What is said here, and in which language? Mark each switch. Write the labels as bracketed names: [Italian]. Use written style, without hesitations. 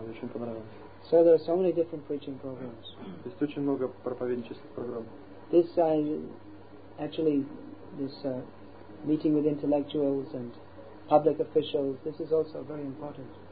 [Russian] Ей очень понравилось. [English] So there are so many different preaching programs. [Russian] То есть очень много проповеднических программ. [English] This meeting with intellectuals and public officials, this is also very important.